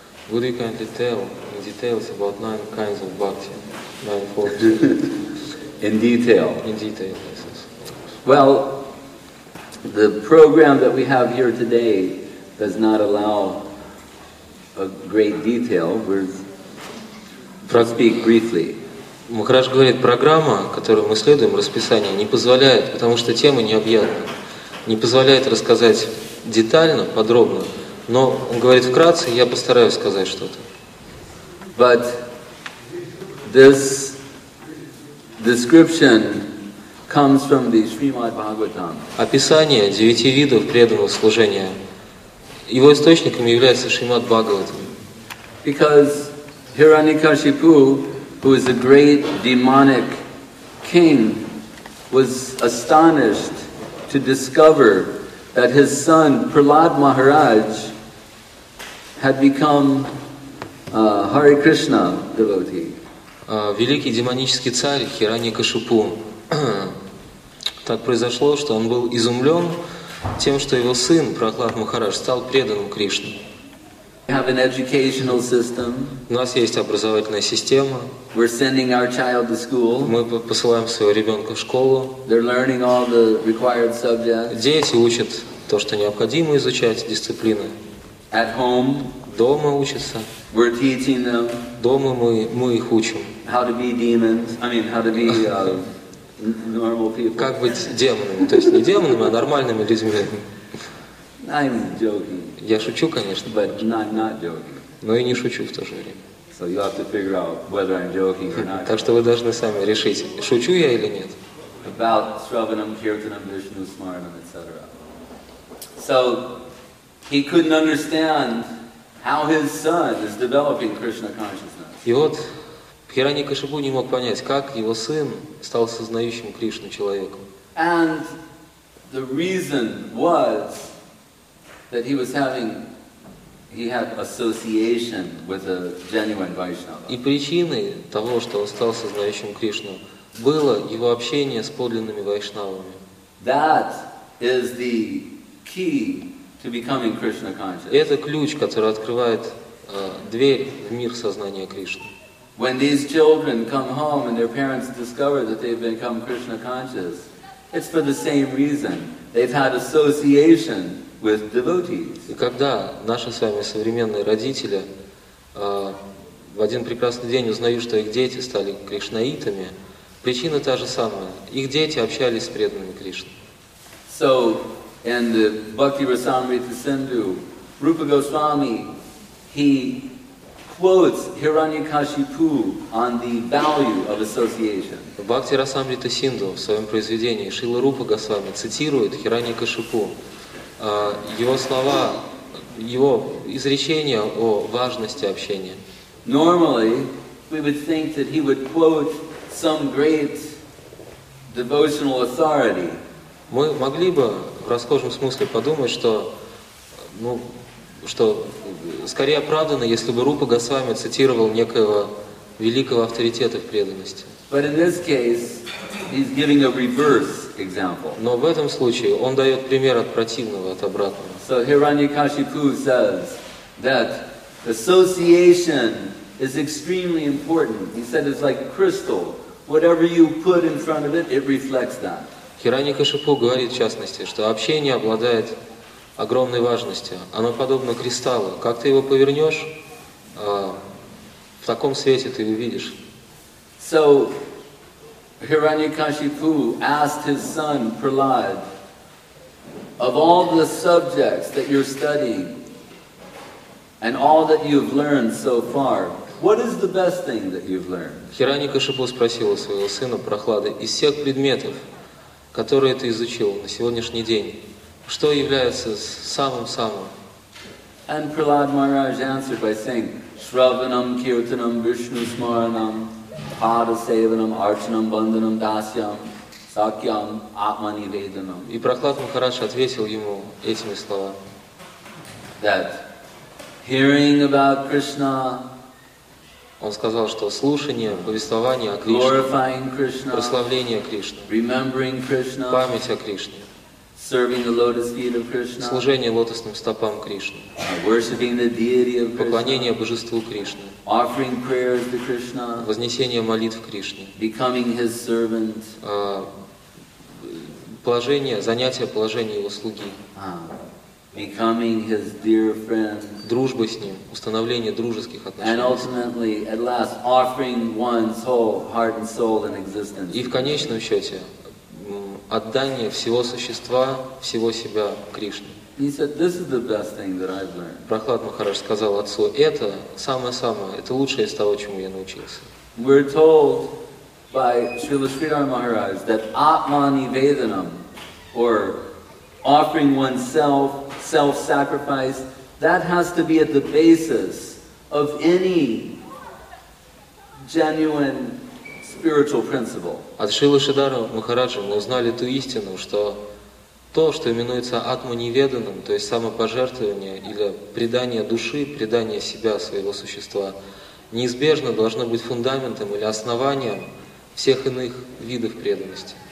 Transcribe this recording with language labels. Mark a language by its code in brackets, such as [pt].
[en] Would you kind of tell in details about nine kinds of bhakti, nine forms? In detail. In detail, yes. Well, the program that we have here today does not allow a great detail. We'll speak briefly. [ru] Махарадж говорит, программа, которую мы следуем, расписание, не позволяет, потому что тема необъятна, не позволяет рассказать детально, подробно, но он говорит вкратце, я постараюсь сказать что-то. [en] But this description comes from the Srimad Bhagavatam. [ru] Описание девяти видов преданного служения, его источником является Шримад Бхагаватам. [en] Because Hiranyakashipu, who is a great demonic king, was astonished to discover that his son Prahlad Maharaj had become a Hare Krishna devotee. [ru] Великий демонический царь Хираньякашипу. Так произошло, что он был изумлен тем, что его сын Прахлад Махарадж стал преданным Кришне. [en] We have an educational system. [ru] У нас есть образовательная система. [en] We're sending our child to school. [ru] Мы посылаем своего ребенка в школу. [en] They're learning all the required subjects. [ru] Дети учат то, что необходимо изучать, дисциплины. [en] At home. [ru] Дома учатся. [en] We're teaching them. [ru] Дома мы их учим. [en] How to be demons. I mean, how to be normal people. [ru] Как быть демонами, то есть не демонами, а нормальными людьми. [en] I'm joking. [ru] Я шучу, конечно, [en] but not joking. [ru] Но и не шучу в то же время. [en] So you have to figure out whether I'm joking or not. [ru] Так что вы должны сами решить, шучу я или нет. [en] About Shravanam, Kirtanam, Vishnu, Smaranam, etc. So he couldn't understand how his son is developing Krishna consciousness. [ru] И вот Хираньякашипу не мог понять, как его сын стал сознающим Кришну человеком. [en] And the reason was that he had association with a genuine Vaishnava. [ru] И причиной того, что он стал сознающим Кришну, было его общение с подлинными вайшнавами. [en] That is the key to becoming Krishna conscious. [ru] Это ключ, который открывает дверь в мир сознания Кришны. [en] When these children come home and their parents discover that they've become Krishna conscious, it's for the same reason. They've had association with devotees. [ru] И когда наши с вами современные родители в один прекрасный день узнают, что их дети стали кришнаитами, причина та же самая. Их дети общались с преданными Кришны. [en] So, in the Bhakti Rasamrita Sindhu, Rupa Goswami, he quotes Hiranyakashipu on the value of association. [ru] В Бхакти Расамрита Синдху в своем произведении Шрила Рупа Госвами цитирует Хираньякашипу. Его слова, его изречения о важности общения. [en] Normally, we would think that he would quote some great devotional authority. [ru] Мы могли бы в расхожем смысле подумать, что, ну, что скорее оправдано, если бы Рупа Госвами цитировал некоего великого авторитета в преданности. [en] But in this case, he's giving a reverse example. [ru] Но в этом случае он дает пример от противного, от обратного. [en] So Hiranyakashipu says that association is extremely important. He said it's like crystal. Whatever you put in front of it, it reflects that. [ru] Хираньякашипу говорит в частности, что общение обладает огромной важностью. Оно подобно кристаллу. Как ты его повернешь, в таком свете ты увидишь. [en] So Hiranyakashipu asked his son Prahlad, of all the subjects that you're studying and all that you've learned so far, what is the best thing that you've learned? [ru] Хираньякашипу спросил у своего сына Прахлада, из всех предметов, которые ты изучил на сегодняшний день, что является самым-самым? [en] And Prahlad Maharaj answered by saying, [sa] Shravanam, Kirtanam, Vishnu, Smaranam, Pada Sevanam, Archanam, Bandhanam, Dasyam, Sakyam, Atmani Vedanam. [ru] И Прахлад Махарадж ответил ему этими словами. [en] That hearing about Krishna, [ru] Он сказал, что слушание, повествование о Кришне, прославление Кришны, [en] remembering Krishna, [ru] память о Кришне, [en] serving the lotus feet of Krishna, [ru] служение лотосным стопам Кришны, [en] worshiping the deity of Krishna, [ru] поклонение Божеству Кришны, [en] offering prayers to Krishna, [ru] вознесение молитв Кришне, [en] becoming his servant, [ru] положение, занятие положения его слуги, [en] becoming his dear friend, [ru] дружба с ним, установление дружеских отношений, [en] and ultimately, at last, offering one's whole heart and soul in existence. [ru] И в конечном счете отдание всего существа, всего себя Кришне. [en] He said, "This is the best thing that I've learned." [ru] Прохлад Махарадж сказал отцу: "Это самое-самое, это лучшее из того, чему я научился." [en] We're told by Srila Sridhar Maharaj that Atmanivedanam, or offering oneself, self-sacrifice, that has to be at the basis of any genuine spiritual principle. [ru] От Шрилы Шридхара Махараджа мы узнали ту истину, что то, что именуется атма-неведанным, то есть самопожертвование или предание души, предание себя, своего существа, неизбежно должно быть фундаментом или основанием всех иных видов преданности.